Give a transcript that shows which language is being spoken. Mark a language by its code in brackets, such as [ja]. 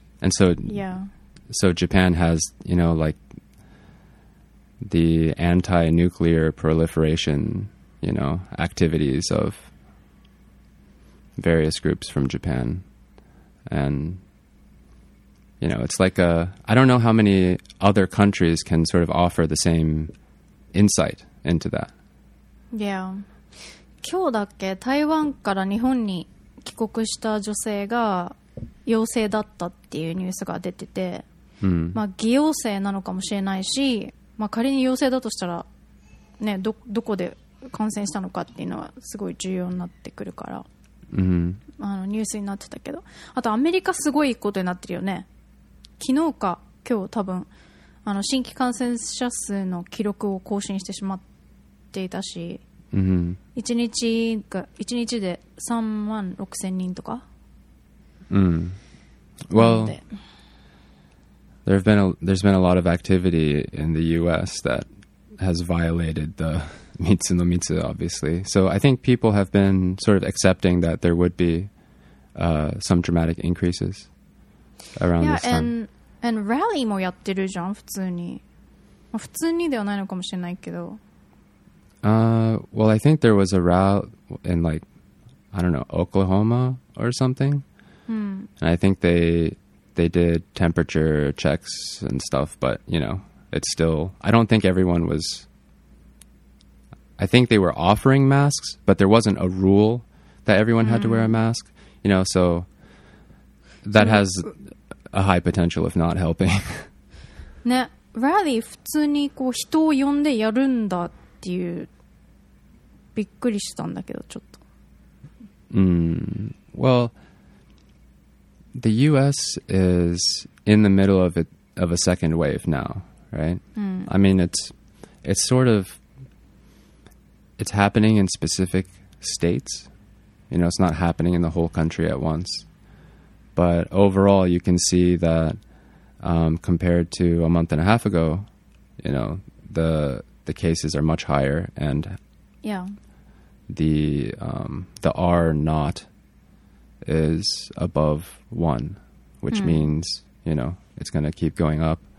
[en] so, so Japan has, the anti-nuclear proliferation, activities of various groups from Japan. And, it's like a, I don't know how many other countries can sort of offer the same insight into that. Yeah. [ja] 今日だっけ台湾から日本に帰国した女性が陽性だったっていうニュースが出てて、まあ偽陽性なのかもしれないし、まあ仮に陽性だとしたら、ね、どこで感染したのかっていうのはすごい重要になってくるから、ニュースになってたけど、あとアメリカすごいことになってるよね。昨日か今日多分新規感染者数の記録を更新してしまってていたし、1日で3万6千人とか。 [en] Well, there's been a lot of activity in the U.S. that has violated the mitsu no mitsu, obviously. So I think people have been sort of accepting that there would be some dramatic increases around this time. And rally [ja] もやってるじゃん、普通に。まあ、普通にではないのかもしれないけど。 [en] Well, I think there was a rally in Oklahoma or something. And I think they did temperature checks and stuff, but, it's still, I don't think everyone was, I think they were offering masks, but there wasn't a rule that everyone had to wear a mask, you know, so that has a high potential of not helping. [ja] ね、ラリー普通にこう人を呼んでやるんだっていう、びっくりしたんだけど、ちょっと。 [en] Well, the U.S. is in the middle of a second wave now, right? I mean, it's sort of, it's happening in specific states. You know, it's not happening in the whole country at once. But overall, you can see that compared to a month and a half ago, you know, the cases are much higher and the R naught is above one, which means, you know, it's going to keep going up.